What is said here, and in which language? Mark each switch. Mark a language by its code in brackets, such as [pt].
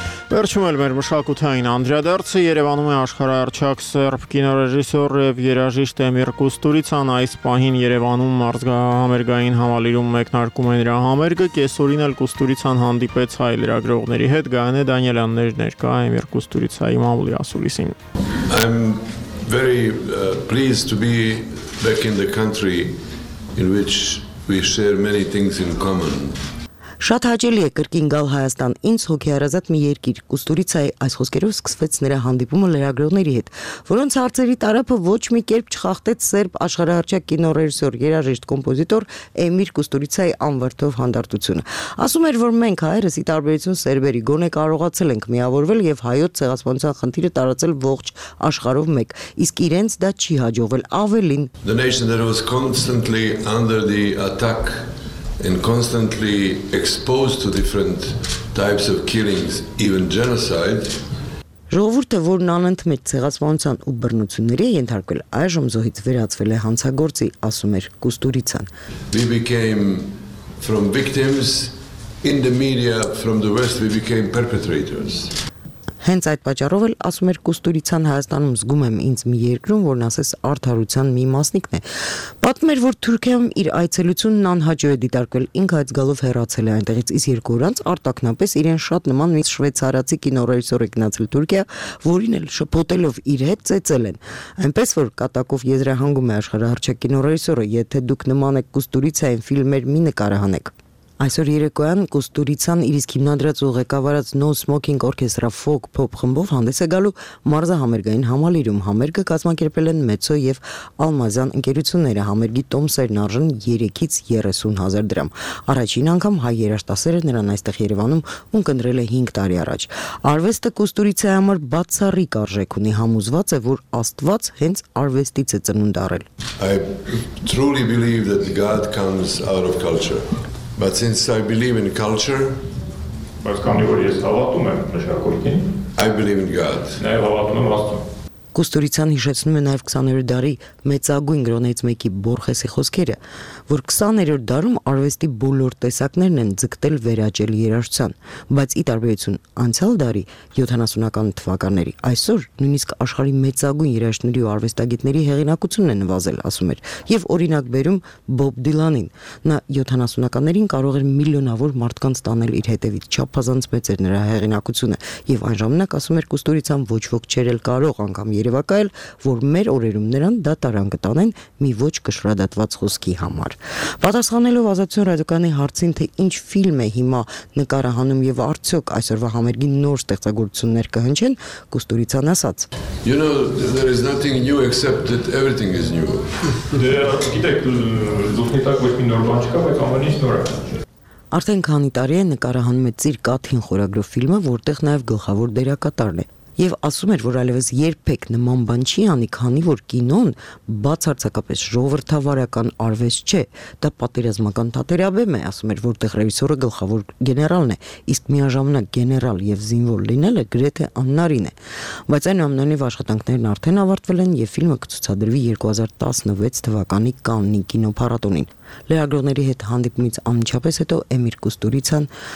[hy] Վերջում էլ մեր մշակութային անդրադարձը Երևանում է աշխարհահռչակ սերբ կինոռեժիսոր և երաժիշտ Էմիր Կուստուրիցան այս պահին Երևանում մարզահամերգային համալիրում մեկնարկում է նրա համերգը, կեսօրին էլ Կուստուրիցան հանդիպեց հայ լրագրողների հետ, Գայանե Դանիելյաններ ներկա Էմիր Կուստուրիցայի մամուլի ասուլիսին։ [en] I'm very pleased to be back in the country in which we share many things in common. [hy] Շատ հաճելի է կրկին գալ Հայաստան, ինձ հոգեհարազատ մի երկիր, Կուստուրիցայի այս խոսքերով սկսվեց նրա հանդիպումը լրագրողների հետ, որոնց հարցերի տարափը ոչ մի կերպ չխախտեց սերբ աշխարհահռչակ կինոռեժիսոր, երաժիշտ, կոմպոզիտոր Էմիր Կուստուրիցայի անվրդով հանդարտությունը։ Ասում էր, որ մենք հայերս ի տարբերություն սերբերի գոնե կարողացել ենք միավորվել եւ հայոց ցեղասպանության խնդիրը տարածել ողջ աշխարհով մեկ, իսկ իրենց դա չի հաջողվել, ավելին։ [en] The nation that was constantly under the attack and constantly exposed to different types of killings, even genocide. [hy] Ժողովուրդը, որն անընդմեջ ցեղասպանության ու բռնությունների է ենթարկվել, այժմ զոհից վերածվել է հանցագործի, ասում էր Կուստուրիցան։ [en] We became from victims, in the media from the West we became perpetrators. [hy] Հենց այդ պատճառով էլ, ասում էր Կուստուրիցան, Հայաստանում զգում եմ ինձ մի երկրում, որն ասես արդարության մի մասնիկն է։ Պատմում էր, որ Թուրքիայում իր այցելությունն անհաջո է դիտարկվել, ինքը այդ գալով հեռացել է այնտեղից, իսկ երկու օր անց արտաքնապես իրեն շատ նման մի շվեցարացի կինոռեժիսոր է գնացել Թուրքիա, որին էլ շփոթելով իր հետ ծեծել են։ Այնպես որ կատակով եզրահանգում է աշխարհահռչակ կինոռեժիսորը, եթե դուք նման եք Կուստուրիցային ֆիլմեր մի նկարահանեք։ Այսօր երեկոյան Կուստուրիցան իր հիմնադրած ու ղեկավարած No Smoking Orchestra Folk Pop խմբով հանդես է գալու մարզահամերգային համալիրում։ Համերգը կազմակերպել են Մեցո և Ալմազյան ընկերությունները, համերգի տոմսերն արժան 3-ից 30 000 դրամ։ Առաջին անգամ հայ երաժշտասերը նրան այստեղ Երևանում ունկնդրել է 5 տարի առաջ։ Արվեստը Կուստուրիցայի համար բացառիկ արժեք ունի, համոզված է, որ Աստված հենց արվեստից է ծնունդ առել։ [en] I truly believe that God comes out of culture. But since I believe in culture, [hy] բայց քանի որ ես հավատում եմ մշակույթին, [en] I believe in God. [hy] Նաև հավատում եմ Աստծո։ Կուստուրիցյան հիշեցնում է նաև 20-րդ դարի մեծագույն գրոնից մեկի Բորխեսի խոսքերը, որ 20-րդ դարում արվեստի բոլոր տեսակներն են ձգտել վերաճել երաժշտության, բայց ի տարբերություն անցյալ դարի 70-ական թվականների, այսօր նույնիսկ աշխարհի մեծագույն երաժշտների ու արվեստագետների հեղինակությունն է նվազել, ասում էր, և օրինակ բերում Բոբ Դիլանին, նա 70-ականներին կարող էր միլիոնավոր մարդկանց տանել իր հետևից, չափազանց մեծ էր նրա հեղինակությունը, և այն ժամանակ ասում էր Կուստուրիցյան ոչ ոք չէր էլ կարող անգամ երևակայել, որ մեր օրերում նրան դա տարան կտանեն մի ոչ կշռադատված խոսքի համար։ Պատասխանելով Ազատության ռադիոկանի հարցին, թե ինչ ֆիլմ է հիմա նկարահանում և արդյոք այսօրվա համերգի նոր ստեղծագործություններ կհնչեն, Կուստուրիցյան ասաց. [en] You know, there is nothing new except that everything is new. [hy] Արդեն քանի տարի է նկարահանում է Ծիր կաթին խորագրով ֆիլմը, որտեղ նաև գլխավոր դերակատարն է։ Եվ ասում էր, որ այլևս երբեք նման բան չի անի, քանի որ կինոն բացարձակապես ժողովրդավարական արվեստ չէ, դա պատերազմական թատերաբեմ է, ասում էր, որտեղ ռեժիսորը գլխավոր գեներալն է, իսկ միաժամանակ գեներալ և զինվոր լինելը գրեթե աննարին է, բայց այնուամենայնիվ աշխատանքներն արդեն ավարտվել են և ֆիլմը կցուցադրվի 2016 թվականի Կաննի կինոփառատոնին։ Լրագրողների հետ հանդիպումից անմիջապես հետո Էմիր Կուստուրիցյան